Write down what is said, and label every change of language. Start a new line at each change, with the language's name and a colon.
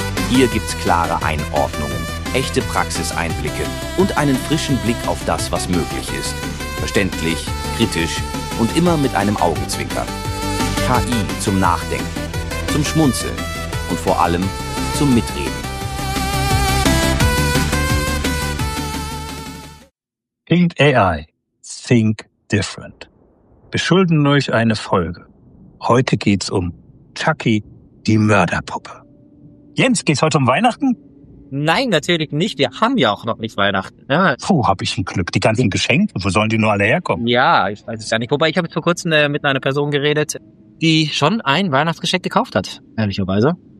German: Hier gibt's klare Einordnungen, echte Praxiseinblicke und einen frischen Blick auf das, was möglich ist. Verständlich, kritisch und immer mit einem Augenzwinkern. KI zum Nachdenken, zum Schmunzeln und vor allem zum Mitreden.
English: Think AI, think different.
German: Wir schulden euch eine Folge. Heute geht's um Chucky, die Mörderpuppe. Jens, geht's heute um Weihnachten? Nein, natürlich nicht. Wir haben ja auch noch nicht Weihnachten. Ja. Puh, hab ich ein Glück. Die ganzen Geschenke, wo sollen die nur alle herkommen? Ja, ich weiß es gar nicht. Wobei, ich habe vor kurzem mit einer Person geredet, die schon ein Weihnachtsgeschenk gekauft hat, ehrlicherweise.